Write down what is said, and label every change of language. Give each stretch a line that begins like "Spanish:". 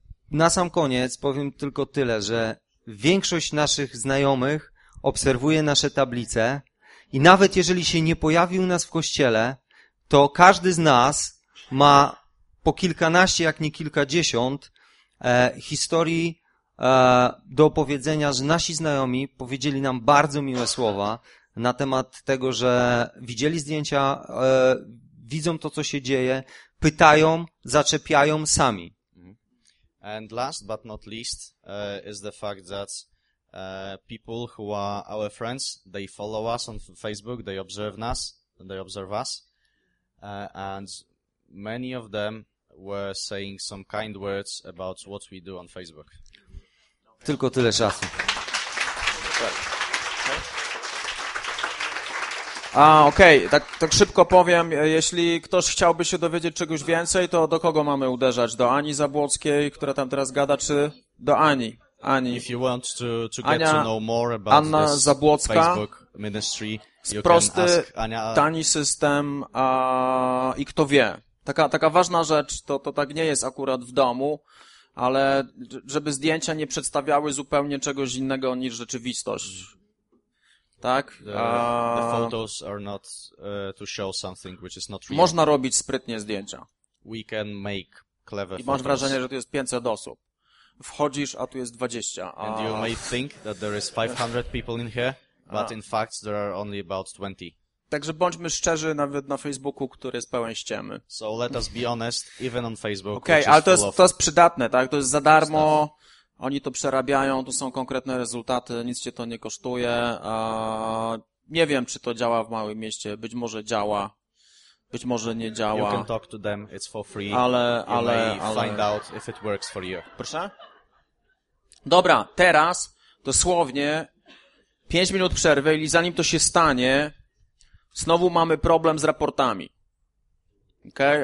Polish: Na sam koniec powiem tylko tyle, że większość naszych znajomych obserwuje nasze tablice i nawet jeżeli się nie pojawi u nas w kościele, to każdy z nas ma po kilkanaście, jak nie kilkadziesiąt historii do opowiedzenia, że nasi znajomi powiedzieli nam bardzo miłe słowa na temat tego, że widzieli zdjęcia, widzą to, co się dzieje, pytają, zaczepiają sami.
English: And last but not least is the fact that people who are our friends, they follow us on Facebook, they observe us, and many of them were saying some kind words about what we do on Facebook.
Polish: Tylko tyle czasu. A, okej, okay. Tak szybko powiem, jeśli ktoś chciałby się dowiedzieć czegoś więcej, to do kogo mamy uderzać? Do Ani Zabłockiej, która tam teraz gada, czy do Ani? Ani.
English: If you want to get Ania, to know more about Anna this Zabłocka, Facebook ministry, you
Polish: prosty,
English: can ask Ania,
Polish: tani system, i kto wie. Taka ważna rzecz, to tak nie jest akurat w domu, ale żeby zdjęcia nie przedstawiały zupełnie czegoś innego niż rzeczywistość. Tak?
English: The photos are not to show something which is not real.
Polish: Można robić sprytnie zdjęcia.
English: We can make clever
Polish: photos. I masz wrażenie, że tu jest 500 osób. Wchodzisz, a tu jest 20.
English: And you may think that there is 500 people in here, but in fact there are only about 20.
Polish: Także bądźmy szczerzy nawet na Facebooku, który jest pełen ściemy.
English: So let us be honest, even on Facebook.
Polish: Okej, okay, ale to jest przydatne, tak? To jest za darmo. Oni to przerabiają, tu są konkretne rezultaty, nic cię to nie kosztuje. Nie wiem, czy to działa w małym mieście. Być może działa, być może nie działa.
English: You can talk to them, it's for free.
Polish: Ale
English: find out if it works for you.
Polish: Proszę? Dobra, teraz dosłownie 5 minut przerwy i zanim to się stanie, znowu mamy problem z raportami. Okej?